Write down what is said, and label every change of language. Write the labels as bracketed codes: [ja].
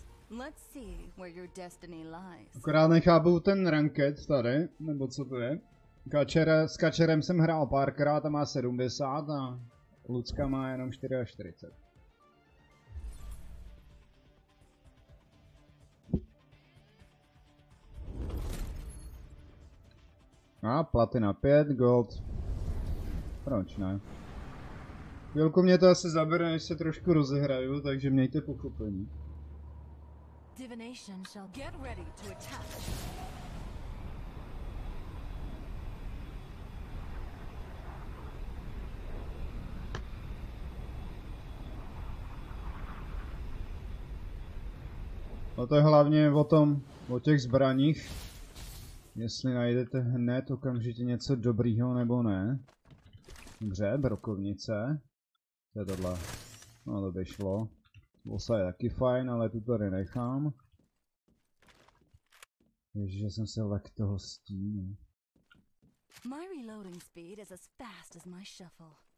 [en] Let's see where your destiny lies. [cs] Akorát nechápu ten ranket tady, nebo co to je. Kačera, s kačerem jsem hrál párkrát a má 70 a Lucka má jenom 44. A platina 5, gold. Proč ne? Chvilku mě to asi zabere, než se trošku rozehraju, takže mějte pochopení. [en] Divination shall get ready to attack. [cs] No to je hlavně o tom, o těch zbraních. Jestli najdete hned okamžitě něco dobrýho nebo ne. Dobře, brokovnice. To je tohle. No to by šlo. Osa je taky fajn, ale tu tady nechám. Ježiš, já jsem se lek toho stínu. [en] My reloading speed is as fast as my shuffle.